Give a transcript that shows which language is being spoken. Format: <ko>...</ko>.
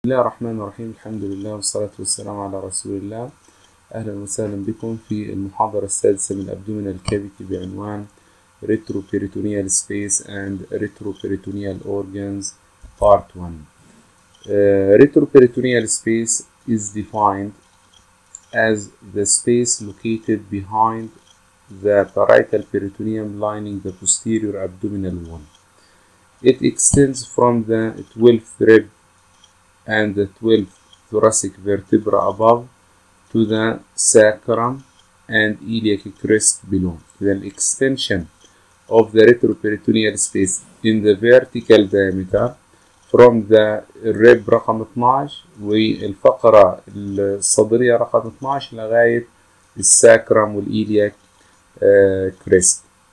<ar>بسم الله الرحمن الرحيم، الحمد لله والصلاة والسلام على رسول الله. أهلا وسهلا بكم في المحاضرة السادسة من Abdominal Cavity بعنوان Retroperitoneal Space and Retroperitoneal Organs Part 1.</ar> <en>Retroperitoneal Space is defined as the space located behind the parietal peritoneum lining the posterior abdominal wall. It extends from the 12th rib and the 12th thoracic vertebra above to the sacrum and iliac crest below. The extension of the retroperitoneal space in the vertical diameter from the rib</en> <ar>رقم 12 والفقرة الصدرية رقم 12 لغاية الساكرام والإيلياك كريست.</ar>